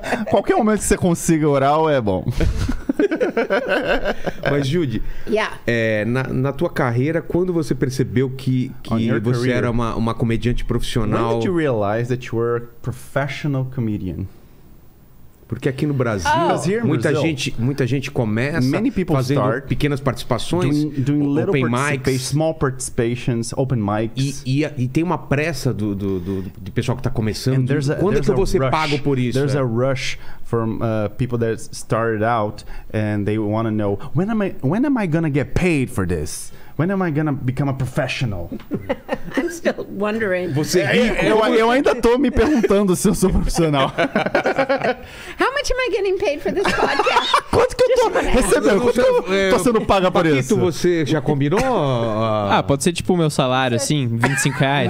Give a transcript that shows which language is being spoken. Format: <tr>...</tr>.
<pt>Qualquer momento que você consiga oral é bom. Mas Judy, na tua carreira, quando você percebeu que você era uma comediante profissional?</pt> <en>When did you realize that you were a professional comedian?</en> <pt>Porque aqui no Brasil, muita gente começa</pt> <en>Many people</en> <pt>fazendo</pt> <en>start</en> <pt>pequenas participações,</pt> <en>small participations, open mics.</en> <pt>E tem uma pressa do pessoal que está começando. Quando é que você paga por isso?</pt> <en>There's a rush from people that started out and they want to know, when am I going to get paid for this? When am I going to become a professional? I'm still wondering.</en> <pt>Você eu ainda tô me perguntando se eu sou profissional.</pt> <en>How much am I getting paid for this podcast?</en> <pt>Quanto que eu tô recebendo? Quanto que eu tô sendo paga por isso? Paquito, você já combinou? Ah, pode ser tipo o meu salário, assim, R$25?</pt>